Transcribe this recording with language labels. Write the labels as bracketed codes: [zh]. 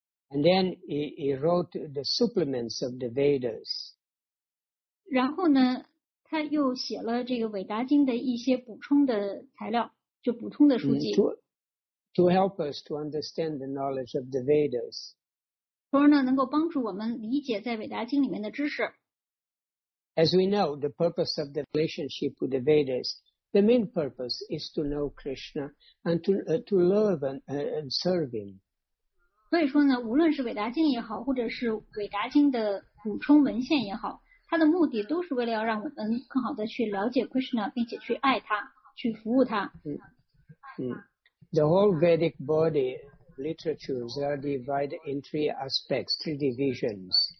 [en] And then he wrote the supplements of the Vedas. [zh] 然后呢，他又写了这个韦达经的一些补充的材料，就补充的书籍。 [en] To help us to understand the knowledge of the Vedas. [zh] 所以呢，能够帮助我们理解在韦达经里面的知识。 [en] As we know, the purpose of the relationship with the Vedas, the main purpose is to know Krishna and to love and serve him. [zh] 所以说呢，无论是韦达经也好，或者是韦达经的补充文献也好，它的目的都是为了要让我们更好的去了解 Krishna， 并且去爱他，去服务他。 [en] The whole Vedic body literatures are divided in three aspects, three divisions.